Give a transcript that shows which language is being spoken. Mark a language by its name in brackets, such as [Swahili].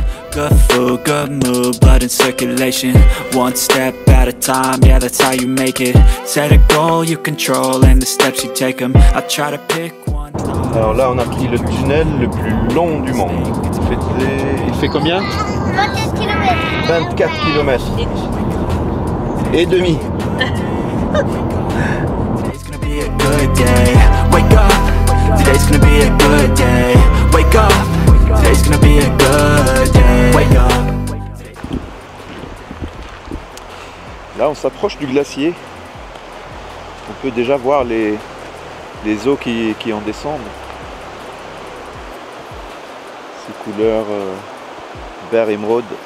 [English] Good food, good mood, blood in circulation. One step at a time, yeah, that's how you make it. Set a goal you control and the steps you take them. I try to pick one. [French] Alors là, on a pris le tunnel le plus long du monde. Il fait combien? 24 km. 24 km. Et demi. [English] Today's gonna be a good day. Wake up. Today's gonna be a good day. Wake up. Today's gonna be a good day. [French] Là, on s'approche du glacier. On peut déjà voir les eaux qui en descendent. Ces couleurs vert émeraude.